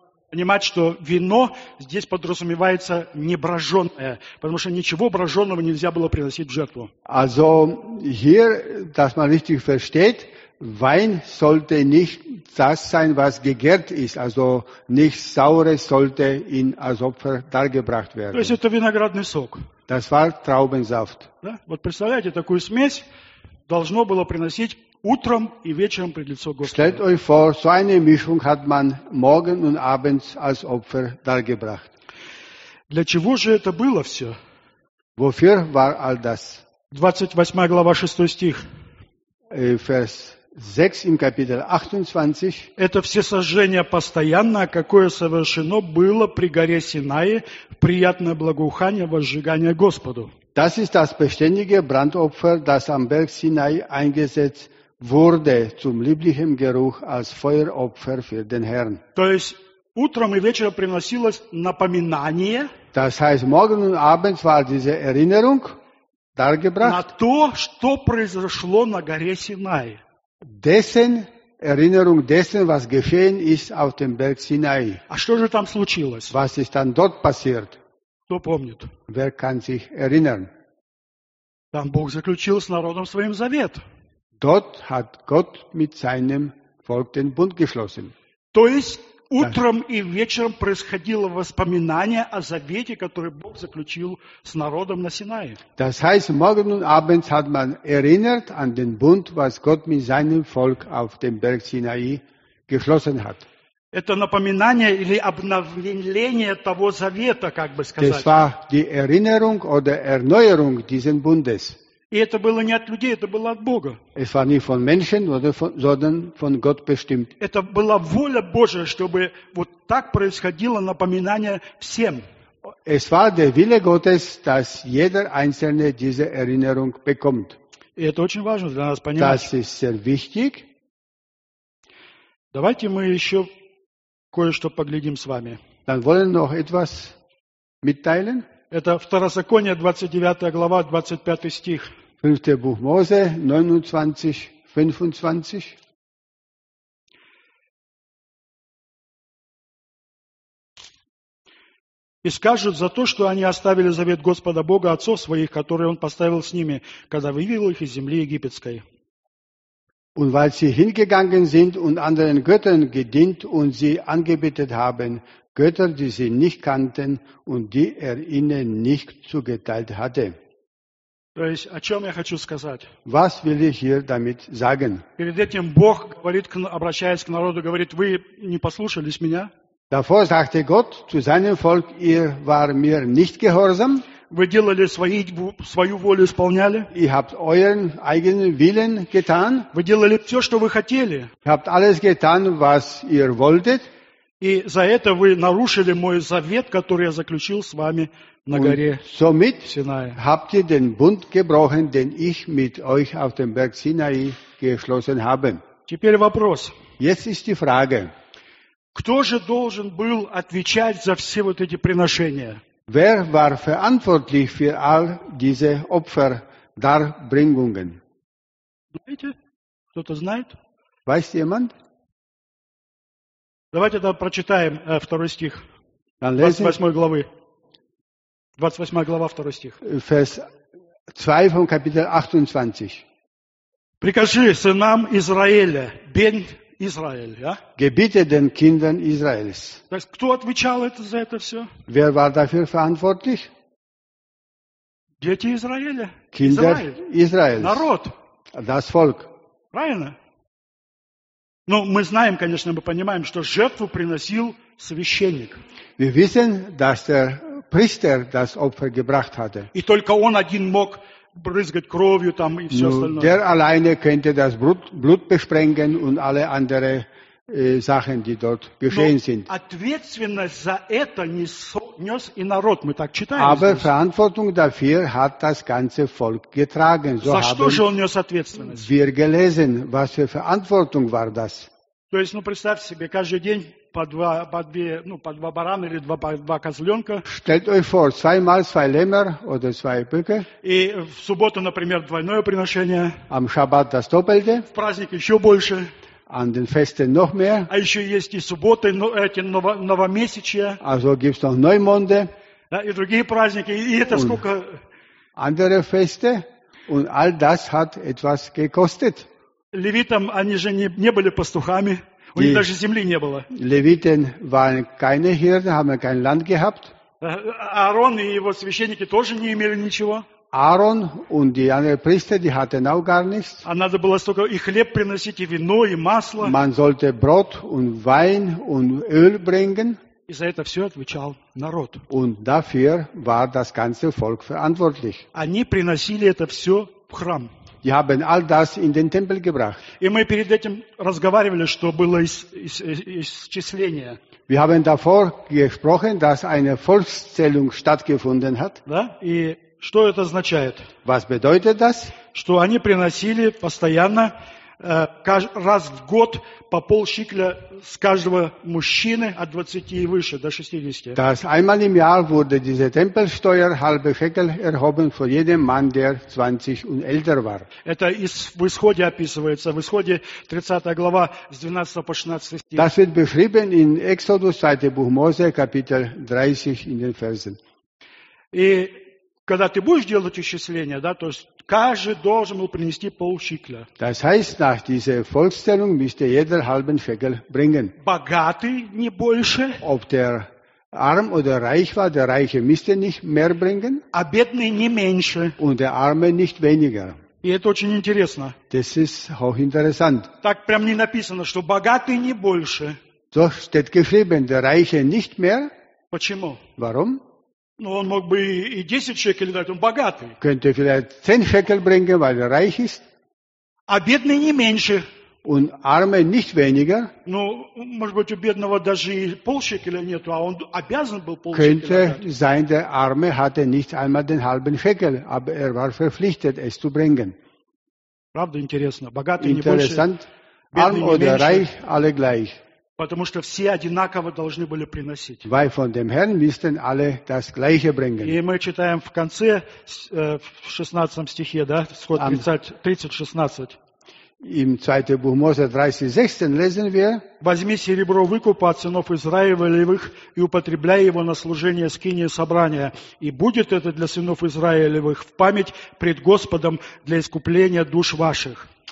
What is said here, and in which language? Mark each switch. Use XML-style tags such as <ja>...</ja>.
<ru>Понимать, что вино здесь подразумевается не брожённое, потому что ничего брожённого нельзя было приносить в жертву.</ru> <de>Also hier, dass man richtig versteht. Wein sollte nicht das sein, was gegärt ist, also nichts Saures sollte in als Opfer dargebracht werden.</de> <ru>То есть это виноградный сок.</ru> <de>Das war Traubensaft.</de> <ru>Да? Вот представляете, такую смесь должно было приносить утром и вечером пред лицо Господа.</ru> <de>Stellt euch vor, so eine Mischung hat man morgen und abends als Opfer dargebracht.</de> <ru>Для чего же это было все?</ru> <de>Wofür war all das?</de> <ru>28 глава, 6 стих.</ru> <de>Vers 6 im Kapitel 28.</de> <ru>Это всесожжение постоянное, какое совершено было при горе Синае, в приятное благоухание возжигание Господу.</ru> <de>Das ist das beständige Brandopfer, das am Berg Sinai eingesetzt wurde zum lieblichen Geruch als Feueropfer für den Herrn.</de> <ru>То есть утром и вечером приносилось напоминание.</ru> <de>Das heißt, morgen und abends war diese Erinnerung dargebracht.</de> <ru>На то, что произошло на горе Синае.</ru> <de>Dessen, Erinnerung dessen, was geschehen ist auf dem Berg Sinai.</de> <ru>А что же там случилось?</ru> <de>Was ist dann dort passiert?</de> <ru>Кто помнит?</ru> <de>Wer kann sich erinnern?</de> <ru>Там Бог заключил с народом своим завет.</ru> <de>Dort hat Gott mit seinem Volk den Bund geschlossen.</de> <ru>То есть утром и вечером происходило воспоминание о завете, который Бог заключил с народом на Синае.</ru> <de>Das heißt, morgen und abends hat man erinnert an den Bund, was Gott mit seinem Volk auf dem Berg Sinai geschlossen hat.</de> <ru>Это напоминание или обновление того завета, как бы сказать.</ru> <de>Das war die Erinnerung oder Erneuerung dieses Bundes.</de> <ru>И это было не от людей, это было от Бога.</ru> <de>Es war nicht von Menschen, sondern von Gott bestimmt.</de> <ru>Это была воля Божия, чтобы вот так происходило напоминание всем.</ru> <de>Es war der Wille Gottes, dass jeder Einzelne diese Erinnerung bekommt.</de> <ru>И это очень важно для нас понимать.</ru> <de>Das ist sehr wichtig.</de> <ru>Давайте мы еще кое-что поглядим с вами.</ru> <de>Dann wollen wir noch etwas mitteilen.</de> <ru>Это Второзаконие, 29 глава, 25 стих.</ru> <de>5 Buch Mose, 29, 25.</de> <ru>И скажут за то, что они оставили завет Господа Бога отцов своих, который Он поставил с ними, когда вывел их из земли египетской.</ru> <de>Und weil sie hingegangen sind und anderen Göttern gedient und sie angebetet haben, Götter, die sie nicht kannten und die er ihnen nicht zugeteilt hatte.</de> <ru>То есть, о чем я хочу сказать?</ru> <de>Was will ich hier damit sagen?</de> <ru>Перед этим Бог говорит, обращаясь к народу, говорит, вы не послушались меня.</ru> <de>Davor sagte Gott zu seinem Volk, ihr war mir nicht gehorsam.</de> <ru>Вы делали свою волю, исполняли.</ru> <de>Ihr habt euren eigenen Willen getan.</de> <ru>Вы делали все, что вы хотели.</ru> <de>Ihr habt alles getan, was ihr wolltet.</de> <ru>И за это вы нарушили мой завет, который я заключил с вами на горе Синай.</ru> <de>Habt ihr den Bund gebrochen, den ich mit euch auf dem Berg Sinai geschlossen habe.</de> <ru>Теперь вопрос.</ru> <de>Jetzt ist die Frage.</de> <ru>Кто же должен был отвечать за все вот эти приношения?</ru> <de>Wer war verantwortlich für all diese Opfer, Darbringungen?</de> <ru>Знаете? Кто-то знает?</ru> <de>Weiß jemand?</de> <ru>Давайте тогда прочитаем второй стих 28 главы. 28 глава, 2 стих.</ru> <de>Vers 2 von Kapitel 28.</de> <ru>Прикажи сынам Израиля, бен Израиль,</ru> <de>ja? Gebiete den Kindern Israels. Das,</de> <ru>кто отвечал это, за это все?</ru> <de>Wer war dafür verantwortlich?</de> <ru>Дети Израиля.</ru> <de>Kinder Israels.</de> <ru>Народ.</ru> <de>Das Volk.</de> <ru>Правильно? Ну, мы знаем, конечно, мы понимаем, что жертву приносил священник.</ru> <de>Wir wissen, dass der Priester das Opfer gebracht hatte.</de> <ru>И только он один мог брызгать кровью там и все остальное.</ru> <de>Der alleine könnte das Blut besprengen und alle andere Sachen, die dort geschehen sind.</de> <ru>Ответственность за это нес и народ, мы так читаем.</ru> <de>Aber Verantwortung dafür hat das ganze Volk getragen.</de> <ru>За что же он нес ответственность?</ru> <de>Wir gelesen, was für Verantwortung war das?</de> <ru>То есть, ну представьте себе, каждый день по два барана или два козленка.</ru> <de>Stellt euch vor, zweimal zwei Lämmer oder zwei Böcke.</de> <ru>И в субботу, например, двойное приношение.</ru> <de>Am Shabbat das Doppelte.</de> <ru>В праздник еще больше.</ru> <de>An den Festen noch mehr.</de> <ru>А еще есть и субботы, эти новомесячия.</ru> <de>Also gibt's noch Neumonde.</de> <ru>Да, и другие праздники, и это</ru> <de>und</de> <ru>сколько.</ru> <de>Andere Feste. Und all das hat etwas gekostet.</de> <ru>Левитам, они же не были пастухами, у них даже земли не было.</ru> <de>Левиten waren keine Hirten, haben kein Land gehabt.</de> <ru>Аарон и его священники тоже не имели ничего.</ru> <de>Aaron und die anderen Priester, die hatten auch gar nichts.</de> <ru>А надо было столько и хлеб приносить, и вино, и масло.</ru> <de>Man sollte Brot und Wein und Öl bringen.</de> <ru>И за это все отвечал народ.</ru> <de>Und dafür war das ganze Volk verantwortlich.</de> <ru>Они приносили это все в храм.</ru> <de>Die haben all das in den Tempel gebracht.</de> <ru>И мы перед этим разговаривали, что было исчисление.</ru> <de>Wir haben davor gesprochen, dass eine Volkszählung stattgefunden hat.</de> <ru>Да? И что это означает?</ru> <de>Was bedeutet das?</de> <ru>Что они приносили постоянно, раз в год, по полшикля с каждого мужчины от 20 и выше, до 60.</ru> <de>Dass einmal im Jahr wurde diese Tempelsteuer halbe Schekel erhoben von jedem Mann, der 20 und älter war.</de> <ru>Это в Исходе описывается, в Исходе 30 глава, с 12 по 16 стих.</ru> <de>Das wird beschrieben in Exodus, 2. Buch Mose, Kapitel 30, in den Versen.</de> <ru>И когда ты будешь делать исчисление, да, то есть каждый должен был принести полшикля.</ru> <de>Das heißt, nach dieser Volkszählung müsste jeder halben Schekel bringen.</de> <ru>Богатый не больше.</ru> <de>Ob der arm oder reich war, der Reiche müsste nicht mehr bringen.</de> <ru>А бедный не меньше.</ru> <de>Und der Arme nicht weniger.</de> <ru>И это очень интересно.</ru> <de>Das ist hochinteressant.</de> <ru>Так прям не написано, что богатый не больше.</ru> <de>So steht geschrieben, der Reiche nicht mehr.</de> <ru>Почему?</ru> <de>Warum?</de> <ru>Ну, он мог бы и 10 шекелей дать, он богатый.</ru> <de>Könnte vielleicht 10 Schekel bringen, weil er reich ist.</de> <ru>А бедный не меньше.</ru> <de>Und arme nicht weniger.</de> <ru>Ну, может быть, у бедного даже и полшекеля нету, а он обязан был полшекеля.</ru> <de>Könnte sein, der Arme hatte nicht einmal den halben Schekel, aber er war verpflichtet, es zu bringen.</de> <ru>Правда, интересно. Богатый</ru> <de>interessant.</de> <ru>Не больше, бедный</ru> <de>arm</de> <ru>не</ru> <de>oder</de> <ru>меньше.</ru> <de>Reich, alle gleich.</de> <ru>Потому что все одинаково должны были приносить.</ru> <de>Weil von dem Herrn müssten alle das Gleiche bringen.</de> <ru>И мы читаем в конце, в 16 стихе, да, Исход 30, 16.</ru> <de>Im 2. Buch Mose 36 lesen wir:</de> <ru>Возьми серебро выкупа от сынов Израилевых и употребляй его на служение скинии собрания, и будет это для сынов Израилевых в память пред Господом для искупления душ ваших.</ru>